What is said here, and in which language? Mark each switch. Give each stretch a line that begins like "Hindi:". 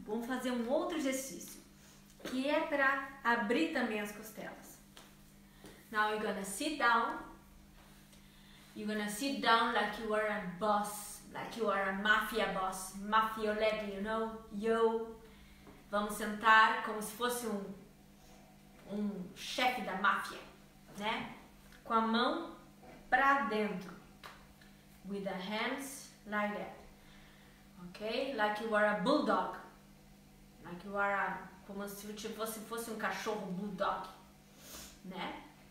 Portuguese: Vamos fazer um outro exercício, que é para abrir também as costelas.
English: Now you're gonna sit down. You're gonna sit down like you are a boss, like you are a mafia boss, mafioletti, you know? Yo.
Portuguese: Vamos sentar como se fosse um chefe da máfia, né? Com a mão para dentro.
English: With the hands like that. Okay, like you are a bulldog, like you are a,
Portuguese: como se você fosse um cachorro bulldog, né?